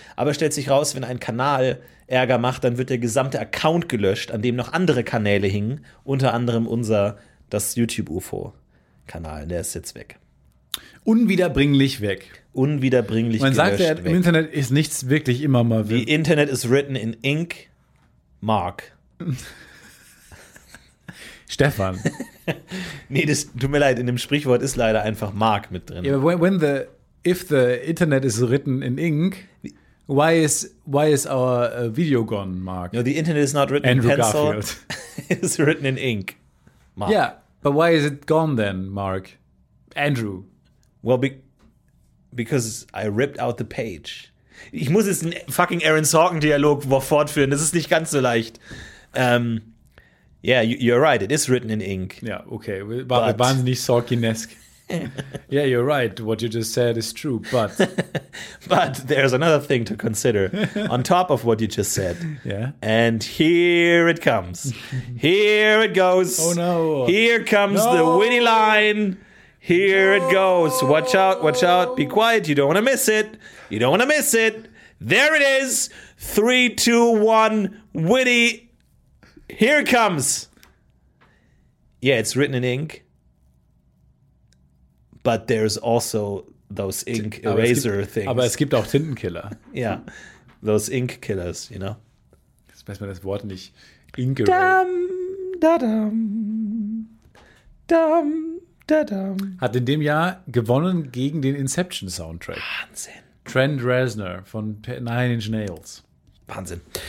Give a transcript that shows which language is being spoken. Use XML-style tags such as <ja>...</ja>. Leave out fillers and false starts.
<de>Aber stellt sich raus, wenn ein Kanal Ärger macht, dann wird der gesamte Account gelöscht, an dem noch andere Kanäle hingen. Unter anderem das YouTube-UFO-Kanal. Der ist jetzt weg. Unwiederbringlich weg. Unwiederbringlich gelöscht. Man sagt ja, im Internet ist nichts wirklich immer mal weg.</de> <en>The Internet is written in ink. Mark. Stefan.</en> <de>Nee, das tut mir leid. In dem Sprichwort ist leider einfach Mark mit drin.</de> <en>Yeah, if the Internet is written in ink, why is our video gone, Mark? No, the Internet is not written Andrew in pencil. Andrew Garfield. It's written in ink, Mark. Yeah, but why is it gone then, Mark? Andrew. Well, because I ripped out the page.</en> <de>Ich muss jetzt einen fucking Aaron Sorkin-Dialog fortführen. Das ist nicht ganz so leicht.</de> <en>Yeah, you're right. It is written in ink.</en> <de>Ja, okay. Wahnsinnig Sorkin-esque.</de> <en>Yeah, you're right. What you just said is true, but but there's another thing to consider on top of what you just said. Yeah. And here it comes. Here it goes. Oh no. Here comes the witty line. Here it goes. Watch out, watch out. Be quiet. You don't want to miss it. You don't want to miss it. There it is. 3, 2, 1. Witty. Here it comes. Yeah, it's written in ink. But there's also those ink eraser things.</en> <de>Aber es gibt auch Tintenkiller.</de> <en>Ja, those ink killers, you know.</en> <de>Jetzt weiß man das Wort nicht.</de> <en>Ink eraser. Dam, da, dam. Dam, da, dam.</en> <de>Hat in dem Jahr gewonnen gegen den Inception-Soundtrack. Wahnsinn. Trent Reznor von Nine Inch Nails. Wahnsinn.</de>